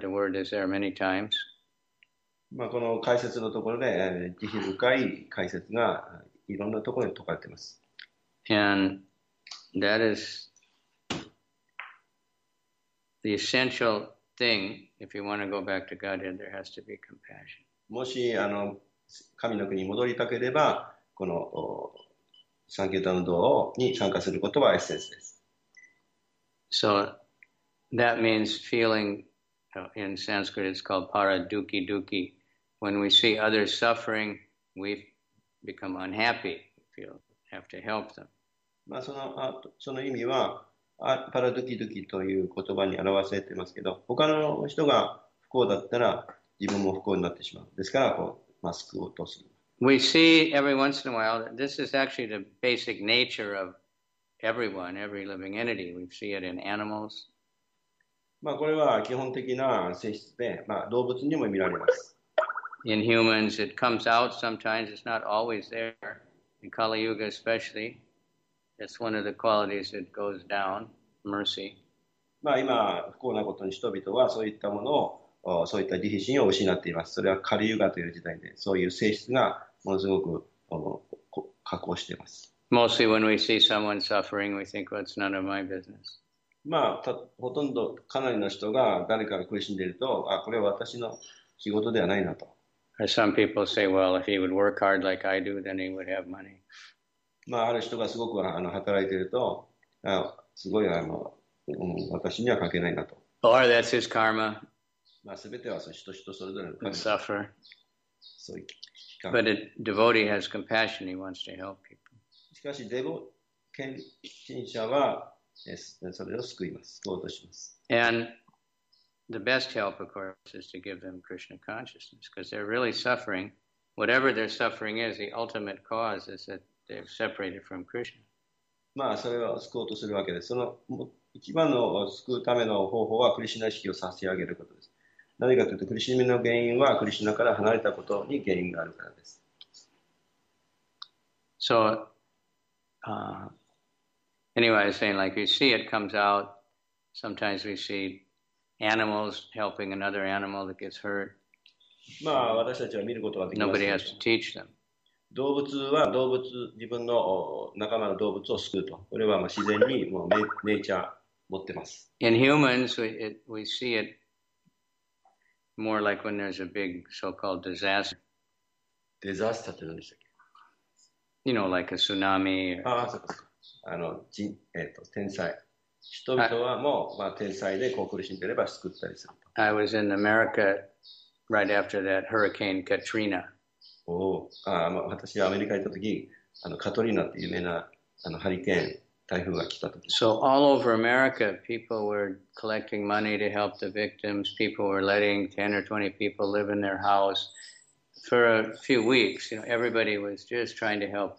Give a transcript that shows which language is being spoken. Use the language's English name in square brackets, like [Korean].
[English] The word is there many times. [Japanese] まあ、この解説のところで、慈悲深い解説がいろんなところに説かれています。 [English] And that is the essential thing. If you want to go back to Godhead, there has to be compassion. [Japanese] もし神の国に戻りたければ、このサンキュータ運動に参加することはエッセンスです。 [English] So that means feeling, in Sanskrit it's called paradukhi dukhi. When we see others suffering, we become unhappy. We feel have to help them. [Japanese] まあその意味はパラドキドキという言葉に表せてますけど、他の人が不幸だったら自分も不幸になってしまう。ですからこうマスクを落とす。 [English] We see every once in a while. This is actually the basic nature of everyone, every living entity. We see it in animals. [Japanese] まあこれは基本的な性質で、まあ動物にも見られます。 [English] In humans, it comes out sometimes. It's not always there. In Kali Yuga especially, it's one of the qualities that goes down, mercy. [Japanese] まあ今、不幸なことに人々はそういったものを、そういった慈悲心を失っています。それはカリユガという時代で、そういう性質がものすごく加工しています。 [English] Mostly when we see someone suffering, we think, well, it's none of my business. [Japanese] まあ、ほとんどかなりの人が誰かが苦しんでいると、あ、これは私の仕事ではないなと。 [English] As some people say, well, if he would work hard like I do, then he would have money. [Japanese] まあある人がすごく働いていると、すごい私には関係ないなと。 [English] Or that's his karma. [Japanese] まあすべてはその人それぞれの [English] karma. Suffer. [Japanese] そうい [English] う。But a devotee has compassion. He wants to help people. [Japanese] しかし、デボ献身者はそれを救います。救おうとします。 [English] And The best help, of course, is to give them Krishna consciousness because they're really suffering. Whatever their suffering is, the ultimate cause is that they've separated from Krishna. [Japanese] まあ、それを救おうとするわけです。その一番の救うための方法はクリシナ意識を差し上げることです。何かというと、苦しみの原因はクリシナから離れたことに原因があるからです。 [English] So, anyway, I was saying, like, you see it comes out. Sometimes we see... Animals helping another animal that gets hurt. [Japanese] まあ私たちは見ることができます。 [English] Nobody has to teach them. [Japanese] 動物は動物、自分の仲間の動物を救うと。これはまあ自然にもうネイチャー持ってます。 [English] In humans, we see it more like when there's a big so-called disaster. [Japanese] Disaster って何でしたっけ [English] You know, like a tsunami. Or... [Japanese] ああ、そうですか。天災。人々はもう、まあ、天災でこう苦しんでいれば救ったりすると。 [English] I was in America right after that Hurricane Katrina. [Japanese] おお、まあ、私はアメリカに行った時、カトリーナって有名なハリケーン、台風が来た時。 [English] So all over America, people were collecting money to help the victims. People were letting 10 or 20 people live in their house for a few weeks. You know, everybody was just trying to help.